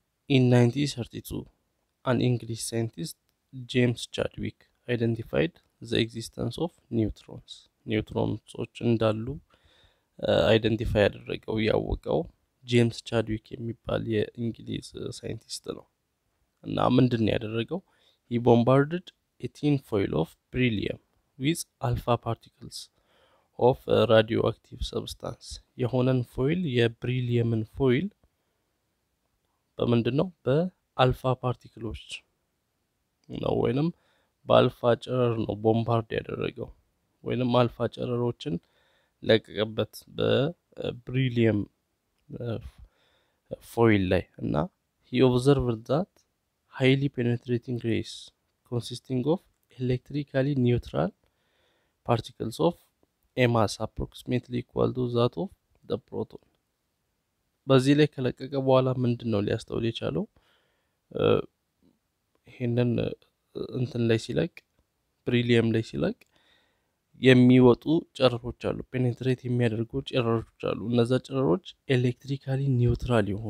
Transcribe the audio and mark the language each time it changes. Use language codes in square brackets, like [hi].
[en] ኢን 1932 አን ኢንግሊሽ ሳይንቲስት ጄምስ ቻድዊክ አይደንቲፋይድ ዘ ኤግዚስተንስ ኦፍ ኒውትሮንስ። [am] ኒውትሮንሶች እንዳሉ አይደንቲፋይ ያደረገው ያወቀው ጄምስ ቻድዊክ የሚባል የእንግሊዝ ሳይንቲስት ነው። እና ምንድን ያደረገው? [en] ሂ ቦምባርድድ a thin foil of beryllium with alpha particles of a radioactive substance. [am] የሆነን ፎይል የብሪሊየምን ፎይል በምንድን ነው? በአልፋ ፓርቲክሎች ነው ወይንም በአልፋ ጨረር ነው ቦምባርድ ያደረገው ወይንም አልፋ ጨረሮችን ለቀቀበት በብሪሊየም ፎይል ላይ እና [en] he observed that highly penetrating rays consisting of electrically neutral particles of a mass approximately equal to that of the proton. [am] በዚህ ላይ ከለቀቀ በኋላ ምንድን ነው ሊያስተውል የቻለው? ይህንን እንትን ላይ ሲለቅ ብሪሊየም ላይ ሲለቅ የሚወጡ ጨረሮች አሉ፣ ፔኔትሬት የሚያደርጉ ጨረሮች አሉ። እነዛ ጨረሮች ኤሌክትሪካሊ ኒውትራል